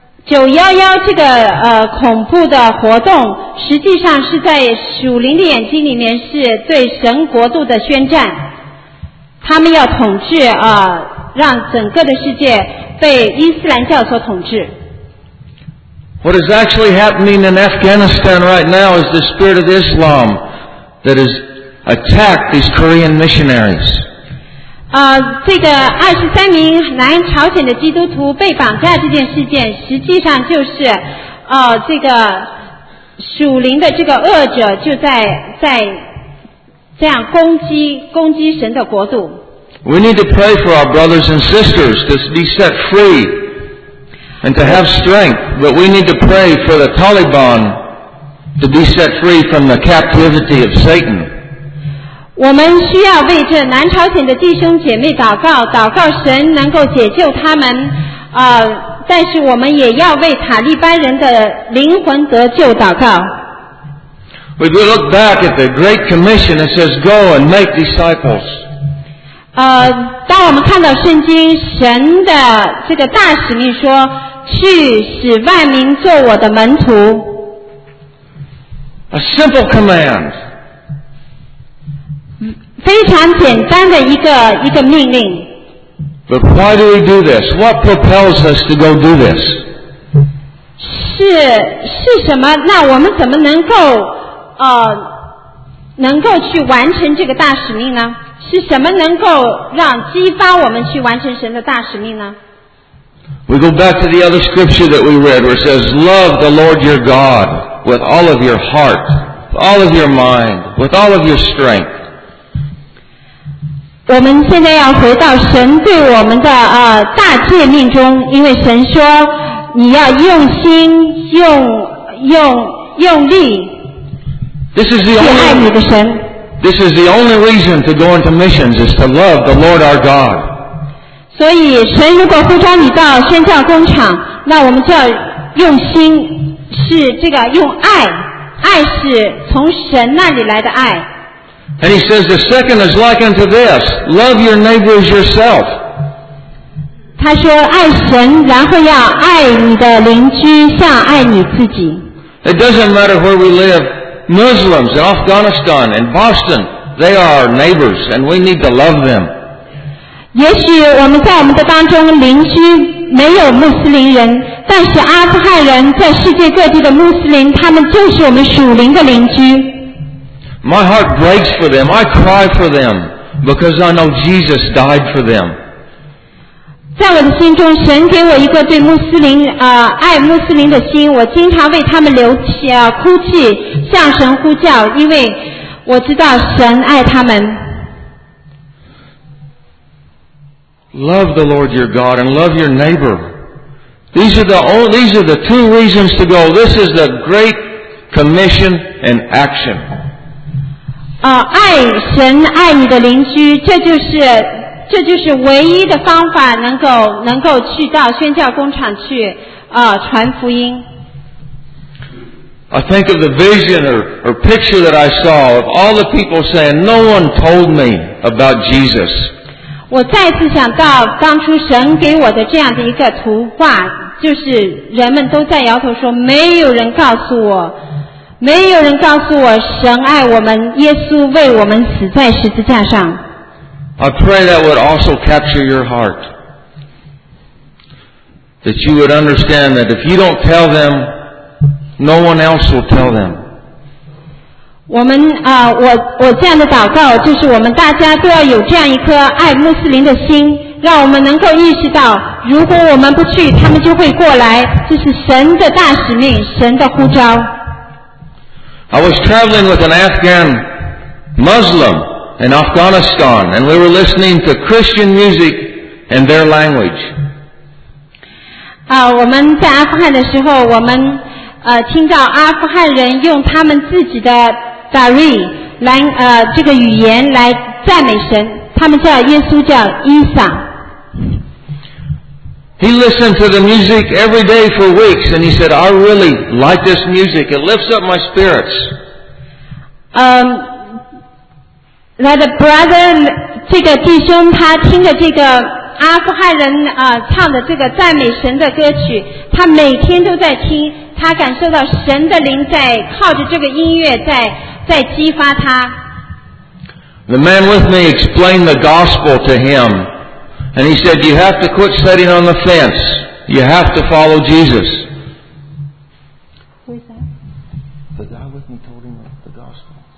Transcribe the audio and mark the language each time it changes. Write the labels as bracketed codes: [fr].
[zh] 911这个恐怖的活动，实际上是在属灵的眼睛里面是对神国度的宣战。他们要统治让整个的世界被伊斯兰教所统治。 [en] What is actually happening in Afghanistan right now is the spirit of Islam that has attacked these Korean missionaries. [zh] 这个23名南朝鲜的基督徒被绑架这件事件实际上就是这个属灵的这个恶者就在这样攻击神的国度。 [en] We need to pray for our brothers and sisters to be set free and to have strength, but we need to pray for the Taliban to be set free from the captivity of Satan. [zh] 我们需要为这南朝鲜的弟兄姐妹祷告，祷告神能够解救他们。但是我们也要为塔利班人的灵魂得救祷告。 [en] We look back at the Great Commission that says, "Go and make disciples." [zh] 当我们看到圣经，神的这个大使命说，去使万民做我的门徒。 [en] A simple command. [zh] 非常简单的一个命令。 [en] But why do we do this? What propels us to go do this? [zh] 是什么？那我们怎么能够去完成这个大使命呢？是什么能够让激发我们去完成神的大使命呢？ [en] We go back to the other scripture that we read where it says, Love the Lord your God with all of your heart, all of your mind, with all of your strength. [zh] 我们现在要回到神对我们的大诫命中，因为神说你要用心、用力去爱你的神。 [en] This is the only reason to go into missions is to love the Lord our God. [zh] 所以神如果呼召你到宣教工厂，那我们就要用心，是这个用爱，爱是从神那里来的爱。 [en] And he says, the second is like unto this, love your neighbor as yourself. [zh] 他说爱神，然后要爱你的邻居，像爱你自己。 [en] It doesn't matter where we live, Muslims in Afghanistan, in Boston, They are our neighbors, and we need to love them. [zh] 也许我们在我们的当中邻居没有穆斯林人，但是阿富汗人在世界各地的穆斯林，他们就是我们属灵的邻居。 [en] My heart breaks for them. I cry for them because I know Jesus died for them. [zh] 在我的心中，神给我一个对穆斯林爱穆斯林的心，我经常为他们流泣哭泣，向神呼叫，因为我知道神爱他们。 [en] Love the Lord your God and love your neighbor. These are the two reasons to go. This is the great commission and action. [zh] 爱神爱你的邻居，这就是唯一的方法，能够去到宣教工厂去传福音。 [en] I think of the vision or picture that I saw of all the people saying, "No one told me about Jesus." [zh] 我再次想到当初神给我的这样的一个图画，就是人们都在摇头说，没有人告诉我神爱我们，耶稣为我们死在十字架上。 [en] I pray that would also capture your heart, that you would understand that if you don't tell them, no one else will tell them. [zh] 我这样的祷告就是我们大家都要有这样一颗爱穆斯林的心，让我们能够意识到，如果我们不去，他们就会过来，这是神的大使命，神的呼召。 [en] I was traveling with an Afghan Muslim in Afghanistan, and we were listening to Christian music in their language. [zh] 我们在阿富汗的时候，我们听到阿富汗人用他们自己的Dari 来这个语言来赞美神，他们叫耶稣叫伊萨。 [en] He listened to the music every day for weeks, and he said, "I really like this music. It lifts up my spirits." That brother, [zh] 这个弟兄，他听着这个阿富汗人唱的这个赞美神的歌曲，他每天都在听，他感受到神的灵在靠着这个音乐在。 [en] The man with me explained the gospel to him, and he said, "You have to quit sitting on the fence. You have to follow Jesus." Who is that? The guy with me told him the gospel.